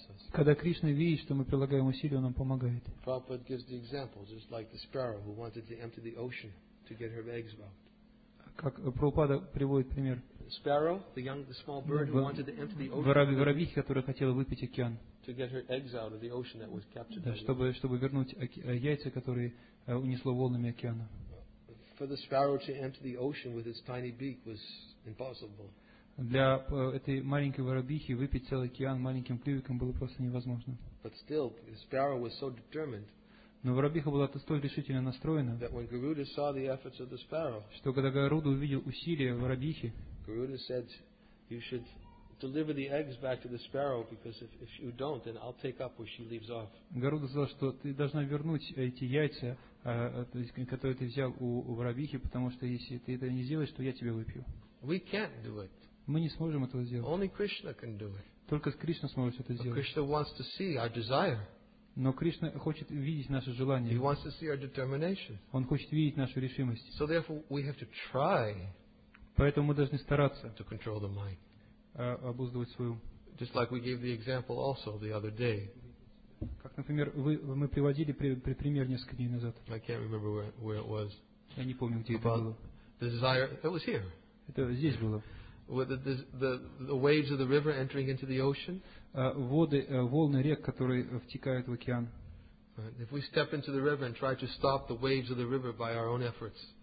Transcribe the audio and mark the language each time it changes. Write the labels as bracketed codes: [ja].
[ru] Когда Кришна видит, что мы прилагаем усилия, Он нам помогает. [en] Prabhupada gives the example, just like the sparrow who wanted to empty the ocean to get her eggs out. [ru] Как Прабхупада приводит пример. [en] Sparrow, the small bird who wanted to empty the ocean. [ru] Воробьи, которая хотела выпить океан. [en] To get her eggs out of the ocean that was captured. [ru] Да, чтобы вернуть яйца, которые унесло волнами океана. [en] For the sparrow to enter the ocean with its tiny beak was impossible. [ru] Для этой маленькой воробьихи выпить целый океан маленьким клювиком было просто невозможно. [en] But still, the sparrow was so determined. [ru] Но воробьиха была столь решительно настроена. [en] That when Garuda saw the efforts of the sparrow. [ru] Что когда Гаруда увидел усилия воробьихи. [en] Garuda said, "You should deliver the eggs back to the sparrow because if you don't, then I'll take up where she leaves off." [ru] Гаруда сказал, что ты должна вернуть эти яйца. Который ты взял у воробьихи, потому что если ты это не сделаешь, то я тебя выпью. [en] We can't do it. [ru] Мы не сможем этого сделать. [en] Only Krishna can do it. [ru] Только Кришна сможет это сделать. [en] But Krishna wants to see our desire. [ru] Но Кришна хочет видеть наше желание. [en] He wants to see our determination. [ru] Он хочет видеть нашу решимость. [en] So therefore we have to try. [ru] Поэтому мы должны стараться [en] to control the mind. [ru] Обуздывать свою. [en] Just like we gave the example also the other day. [ru] Как, например, мы приводили пример несколько дней назад. [en] I can't remember where it was. [ru] Я не помню, где это было. [en] The desire, it was here. [ru] Это здесь было. [en] The waves of the river entering into the ocean. [ru] Воды, волны рек, которые втекают в океан. [en] If we step into the river and try to stop the waves of the river by our own efforts.